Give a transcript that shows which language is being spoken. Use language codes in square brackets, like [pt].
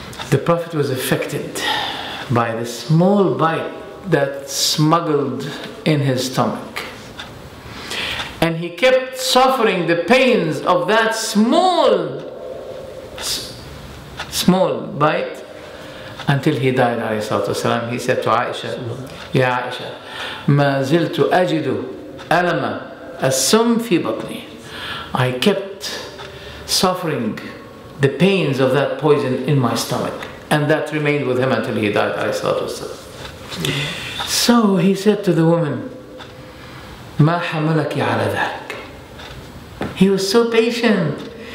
[en] The Prophet was affected by the small bite that smuggled in his stomach. And he kept suffering the pains of that small bite until he died, alayhi salatu wasalam. He said to Aisha, Ya Aisha, [ar] ما زلت أجد ألم السم في بطني. [en] I kept suffering the pains of that poison in my stomach. And that remained with him until he died, alayhi salatu wasalam. So he said to the woman, [ar] مَا حَمَلَكِ عَلَى ذَلِكَ. [en] He was so patient.